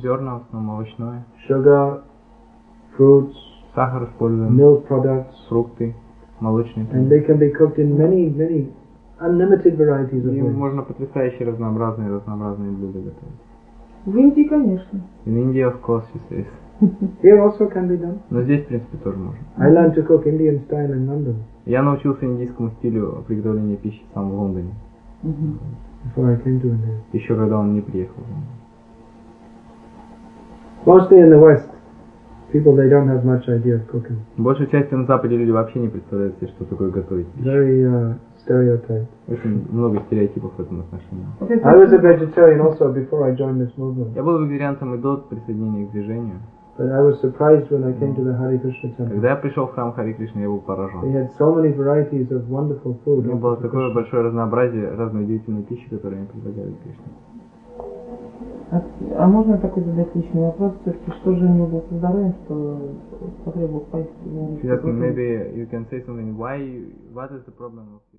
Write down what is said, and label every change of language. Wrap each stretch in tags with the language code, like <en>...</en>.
<ru>зерна, в основном овощное,</ru> <en>sugar, fruits,</en> <ru>сахар используем,</ru> <en>milk products,</en> <ru>фрукты, молочные продукты.</ru> <en>And they can be cooked in many, many unlimited varieties of food.</en> <ru>И можно потрясающе разнообразные блюда готовить. В Индии, конечно.</ru> <en>In India, of course, you say. Here also can be done.</en> <ru>Но здесь, в принципе, тоже можно.</ru> <en>I learned to cook Indian style in London.</en> <ru>Я научился индийскому стилю приготовления пищи сам в Лондоне.</ru> <en>Before I came to India.</en> <ru>Еще когда он не приехал.</ru> <en>Mostly in the West, people they don't have much idea of cooking.</en> <ru>Большей частью на Западе люди вообще не представляют себе, что такое готовить пищу.</ru> <en>Very stereotype.</en> <ru>Очень много стереотипов в этом отношении.</ru> <en>I was a vegetarian also before I joined this movement.</en> <ru>Я был вегетарианцем и до присоединения к движению.</ru> <en>But I was surprised when I came to the Hare Krishna temple.</en> <ru>Когда я пришел в храм Харе Кришна, я был поражен.</ru> <en>They had so many varieties of wonderful food.</en> <ru>У них было такое большое разнообразие разной удивительной пищи, которую они предлагали Кришне. А можно такой задать личный вопрос? Все-таки, что же у него было со здоровьем, что потребовал поесть?</ru> <en>Maybe you can say something. Why? What is the problem?</en>